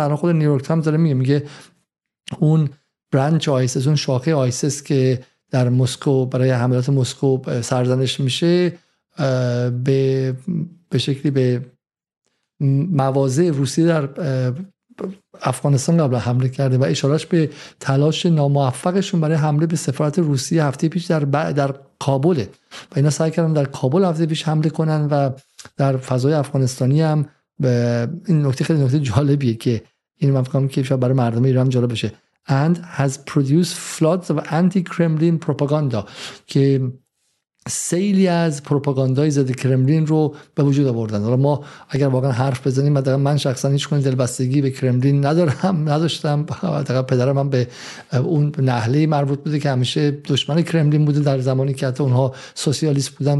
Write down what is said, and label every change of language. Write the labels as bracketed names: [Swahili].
[Persian] الان خود نیویورک تایمز داره میگه اون برانچ آیسس، اون شاخه آیسس که در مسکو برای حملات مسکو سرزنش میشه، به شکلی به مواضع روسیه در افغانستان قبل حمله کرده، و اشارهش به تلاش ناموفقشون برای حمله به سفارت روسیه هفته پیش در کابله. و اینا سعی کردن در کابل هفته پیش حمله کنن و در فضای افغانستانی هم این نکته خیلی نکته جالبیه که این من فکرم که شاید برای مردم ایران جالب بشه. [English] And has produced floods of anti-Kremlin propaganda [Persian] که سیلی از پروپاگاندای ضد کرملین رو به وجود آوردن. حالا ما اگر واقعا حرف بزنیم، من شخصا هیچ گونه دلبستگی به کرملین ندارم، نداشتم. حداقل پدرم هم به اون نهله مربوط بوده که همیشه دشمن کرملین بوده در زمانی که حتی اونها سوسیالیست بودن.